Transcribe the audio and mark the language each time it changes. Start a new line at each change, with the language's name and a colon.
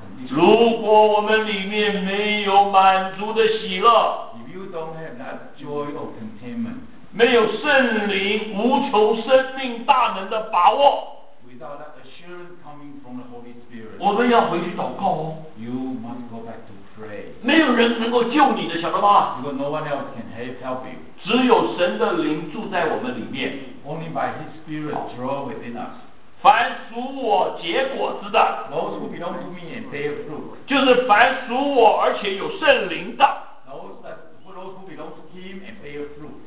Chinese: 如果我们里面没有满足的喜乐，
English: If you don't have that joy or contentment,
Chinese: 没有圣灵无穷生命大能的把握，
English: Without that assurance coming from the Holy Spirit,
Chinese: 我们要回去祷告哦。
English: You must go back to pray.
Chinese: 没有人能够救你的，晓得吗？
English: Because no one else can help you.
Chinese: 只有神的灵住在我们里面。
English: Only by His Spirit dwells within us.
Chinese: 凡属我结果子的
English: Those who belong to me and bear fruit
Chinese: 就是凡属我而且有圣灵的
English: Those who belong to him and bear fruit